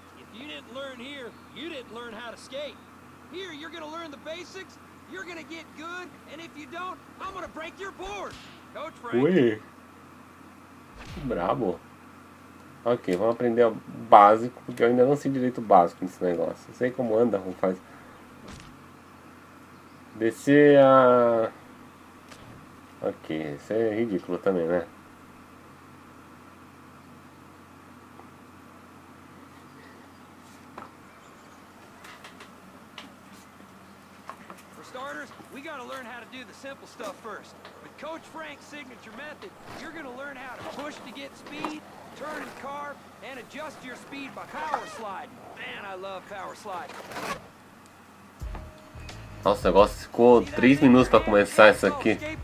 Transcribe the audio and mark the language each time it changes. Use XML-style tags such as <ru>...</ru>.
<en>If you didn't learn here, you didn't learn how to skate. Here, you're gonna learn the basics. You're gonna get good, and if you don't, I'm gonna break your board, Coach Frank.</en> <pt>Ui. Brabo. Ok, vamos aprender o básico, porque eu ainda não sei direito o básico nesse negócio. Eu sei como anda, como faz. Descer a. Ok, isso é ridículo também, né?</pt> <en>For starters, we gotta learn how to do the simple stuff first. With Coach Frank's signature method, you're gonna learn how to push to get speed, turn and carve, and adjust your speed by power sliding. Man, I love power sliding.</en> <pt>Nossa, o negócio ficou 3 minutos pra começar isso aqui.</pt>